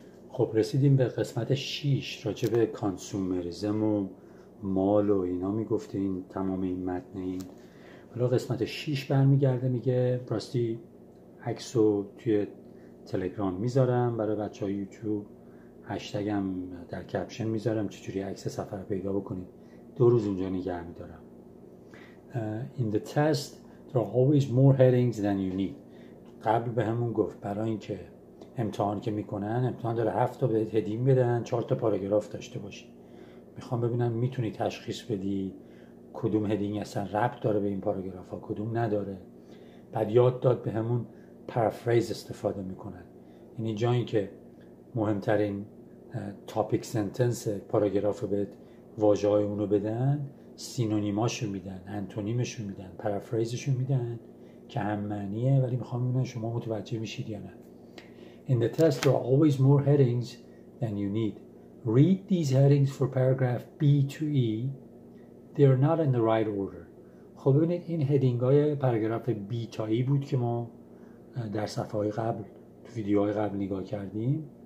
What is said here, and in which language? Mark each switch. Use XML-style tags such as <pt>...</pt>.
<fa>خب رسیدیم به قسمت 6 راجع به کانسومریزم و مال و اینا میگفتین تمام این متن. این حالا قسمت 6 برمیگرده میگه راستی عکس رو توی تلگرام میذارم برای بچه های یوتیوب، هشتگم در کپشن میذارم چجوری عکس سفر پیدا بکنید، دو روز اونجا نگه میدارم.</fa> <en>In the test there are always more headings than you need.</en> <fa>قبل به همون گفت برای اینکه امتحان که میکنن امتحان داره 7 تا بهت هدینگ بدن، 4 تا پاراگراف داشته باشی. میخوام ببینم میتونی تشخیص بدی کدوم هدینگ اصلا ربط داره به این پاراگراف ها کدوم نداره. بعد یاد داد به همون پارافریز استفاده میکنن، یعنی جایی که مهمترین تاپیک سنتنس پاراگراف رو بهت واژه های اونو بدن، سینونیماشون میدن، انتونیمشون میدن، پارافریزشون میدن که هم معنیه ولی میخوام ببینم شما متوجه میشید یا نه.</fa> <en>In the test there are always more headings than you need. Read these headings for paragraph B to E. They are not in the right order.</en> <fa>خب ببینید این هدینگ های پاراگراف B تا E بود که ما در صفحه های قبل تو ویدیوهای قبل نگاه کردیم.</fa>